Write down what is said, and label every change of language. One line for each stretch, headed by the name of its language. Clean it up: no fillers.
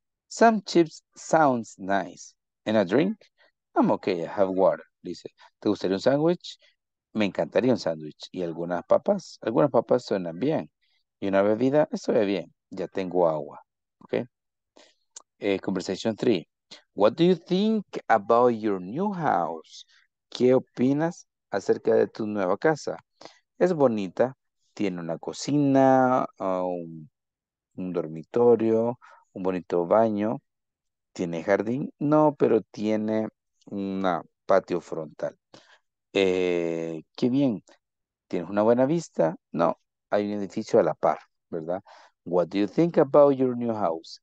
English: Some chips sounds nice. And a drink? I'm okay, I have water.
Spanish: Dice, ¿te gustaría un sandwich? Me encantaría un sandwich. ¿Y algunas papas? Algunas papas suenan bien. y una bebida, estoy bien, ya tengo agua.
English: Okay. Conversation 3. What do you think about your new house?
Spanish: ¿Qué opinas acerca de tu nueva casa? Es bonita, tiene una cocina, un dormitorio, un bonito baño, tiene jardín, no, pero tiene un patio frontal. Qué bien, ¿tienes una buena vista? No, hay un edificio a la par, ¿verdad?
English: What do you think about your new house?